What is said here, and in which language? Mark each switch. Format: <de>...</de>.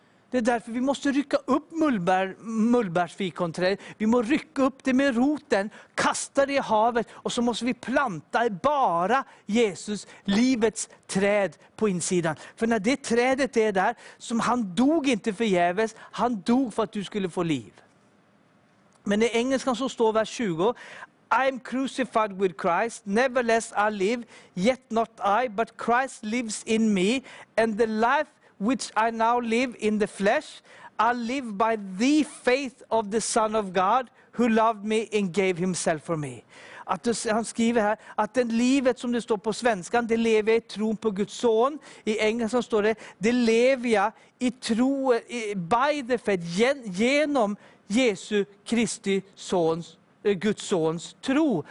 <sv>Det är därför vi måste rycka upp mullbärsfikonträdet. Vi måste rycka upp det med roten, kasta det i havet, och så måste vi planta bara Jesus, livets träd, på insidan. För när det trädet är där, som han dog inte förgäves, han dog för att du skulle få liv. Men i engelskan så står vers 20:</sv> <en>I am crucified with Christ, nevertheless I live, yet not I, but Christ lives in me, and the life which I now live in the flesh, I live by the faith of the Son of God, who loved me and gave himself for me.</en> <sv>Att han skriver här att det livet, som det står på svenskan, det lever jag i tron på Guds son. I engelskan står det, det lever jag i tro,</sv> <en>by the faith,</en> <sv>genom Jesu Kristi sons, Guds sons tro.</sv>